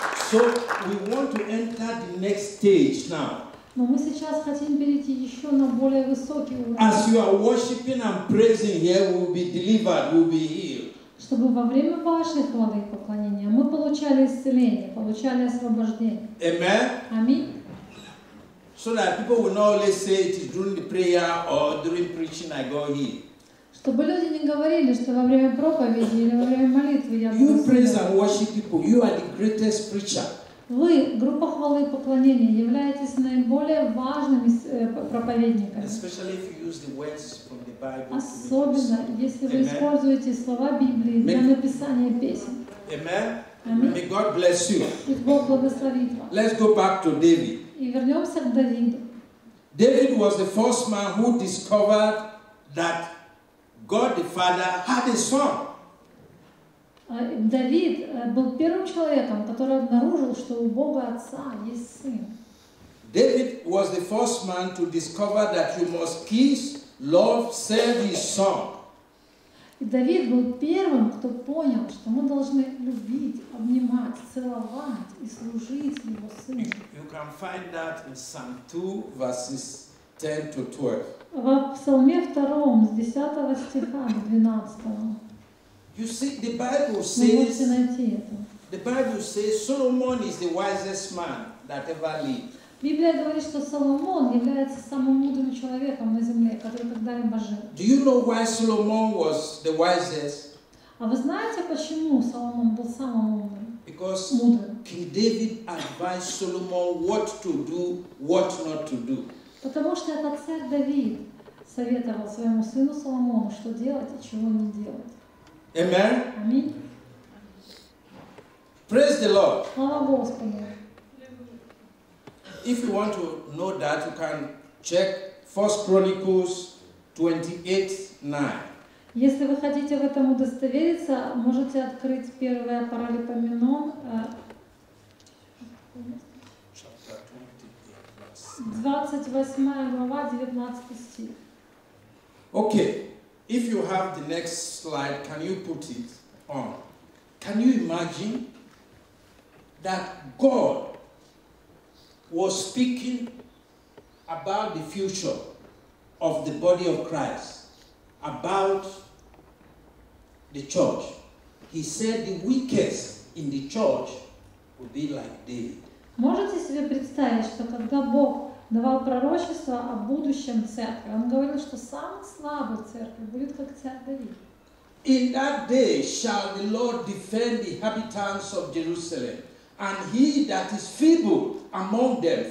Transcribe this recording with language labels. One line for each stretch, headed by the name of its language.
English: So we want to enter the next stage now.
Russian: Но мы сейчас хотим перейти еще на более высокий уровень.
English: As you are worshiping and praising here, we'll be delivered, we'll be healed.
Russian: Чтобы во время вашей хвалы и поклонения мы получали исцеление, получали освобождение.
English: Amen.
Russian: Аминь.
English: So that people will not always say it is during the prayer or during preaching I got healed.
Russian: Чтобы люди не говорили, что во время проповеди или во время молитвы я
English: You praise and worship people. You are the greatest preacher.
Russian: Вы, группа хвалы и поклонения, являетесь наиболее важными проповедниками.
English: Especially if you use the words from the Bible.
Russian: Особенно, если вы используете слова Библии для написания песен.
English: Amen. May God bless you.
Russian: И Бог благословит вас.
English: Let's go back to David.
Russian: И вернемся к Давиду.
English: David was the first man who discovered that God the Father had a son.
Russian: Давид был первым человеком, который обнаружил, что у Бога Отца есть сын.
English: David was the first man to discover that you must kiss, love, serve his son.
Russian: Давид был первым, кто понял, что мы должны любить, обнимать, целовать и служить его сыну.
English: You can find that in Psalm 2, verses 10 to 12.
Russian: В Псалме 2, с 10 стиха до 12.
English: You see, the Bible says Solomon is the wisest man that ever lived.
Russian: Библия говорит, что Соломон является самым мудрым человеком на земле, который когда-либо жил.
English: Do you know why Solomon was the wisest?
Russian: А вы знаете, почему Соломон был самым мудрым?
English: Because King David advised Solomon what to do, what not to do.
Russian: Потому что этот царь Давид советовал своему сыну Соломону, что делать и чего не делать.
English: Amen. Amen. Praise the Lord.
Russian: Слава Господу.
English: If you want to know that, you can check 1 Chronicles 28:9.
Russian: Если вы хотите в этом удостовериться, можете открыть 1 Паралипоменон 28 глава, 19 стих.
English: Okay. If you have the next slide, can you put it on? Can you imagine that God was speaking about the future of the body of Christ, about the church? He said the weakest in the church would be like David.
Russian: Можете себе представить, что когда Бог давал пророчество о будущем церкви, он говорил, что самый слабый церкви будет как царь Давид.
English: In that day shall the Lord defend the inhabitants of Jerusalem, and he that is feeble among them.